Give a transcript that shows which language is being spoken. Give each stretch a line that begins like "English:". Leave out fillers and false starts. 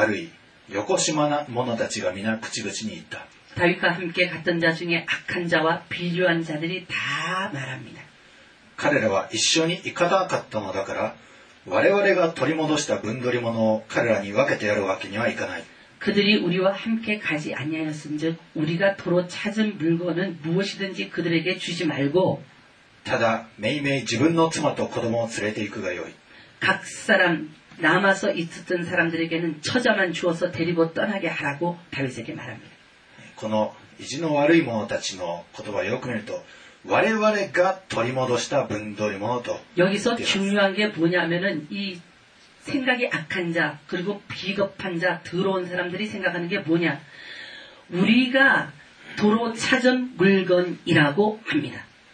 Japanese: その時ダビデと一緒に行った者たちのうち意地の悪い横島な者たちが皆口々に言った。
Korean: 다윗과 함께 갔던 자 중에 악한 자와 비류한 자들이 다 말합니다.
Japanese: 彼らは一緒に行かなかったのだから我々が取り戻した分取り物を彼らに分けてやるわけにはいかない。
Korean: 그들이 우리와 함께 가지 아니하였은즉 우리가 도로 찾은 물건은 무엇이든지 그들에게 주지 말고
Japanese: ただ、めいめい自分の妻と子供を連れて行くがよい。
Korean: 각 사람 남아서 있었던 사람들에게는 처자만 주어서 데리고 떠나게 하라고 다윗에게 말합니다.
Japanese: この意地の悪い者たちの言葉をよく見ると我々が取り戻した分取り物と
Korean: 여기서 중요한 게 뭐냐면은 이 생각이 악한 자 그리고 비겁한 자 더러운 사람들이 생각하는 게 뭐냐 우리가 도로 찾은 물건이라고 합니다.